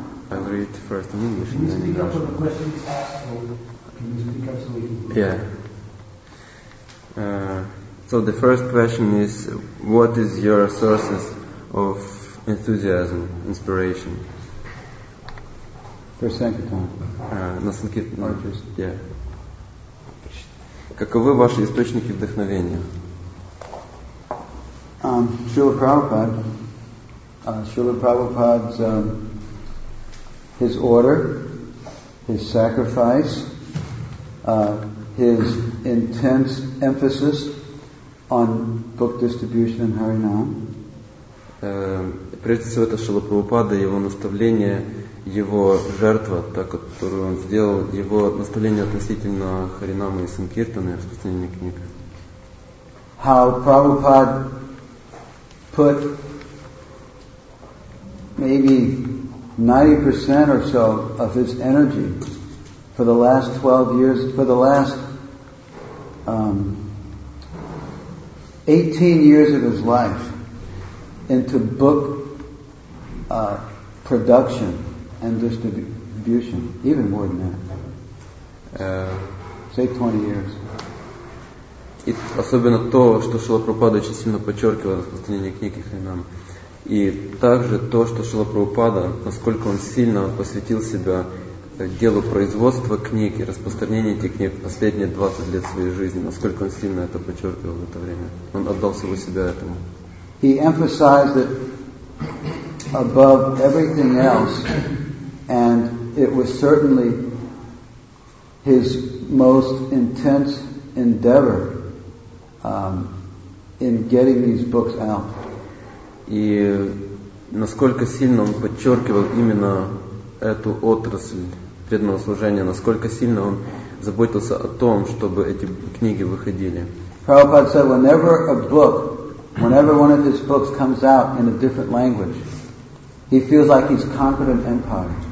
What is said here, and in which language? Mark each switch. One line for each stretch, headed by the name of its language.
English: I'll read first in English and then in Russian. Can you speak up for the questions asked? Can you speak up so we can... Yeah. So the first question is, what is your sources of enthusiasm, inspiration? For Sankirtan.
Russian: На Sankirtan.
English: No, just... Yeah.
Russian: Каковы ваши источники вдохновения?
English: Srila Prabhupada. Srila Prabhupada's his order, his sacrifice, his intense emphasis on book distribution and Harinam.
Russian: Прежде всего это Шрила Прабхупада, его наставление, его жертва, та, которую он сделал, его наставление относительно Харинамы и Санкиртаны, распространение книг.
English: How Prabhupada put maybe 90% or so of his energy for the last 12 years, for the last 18 years of his life into book production and distribution, even more than that. Say 20 years.
Russian: И особенно то, что Шрила Прабхупада очень сильно подчеркивал распространение книг и Харинам. И также то, что Шрила Прабхупада, насколько он сильно посвятил себя делу производства книг и распространения этих книг последние 20 лет своей жизни, насколько он сильно это подчеркивал в это время. Он отдал всего себя этому.
English: He emphasized it above everything else, and it was certainly his most intense endeavor in getting these books out.
Russian: И насколько сильно он подчеркивал именно эту отрасль преданного служения, насколько сильно он заботился о том, чтобы эти книги выходили.
English: Prabhupada said, whenever a book, whenever one of his books comes out in a different language, he feels like he's conquered an empire.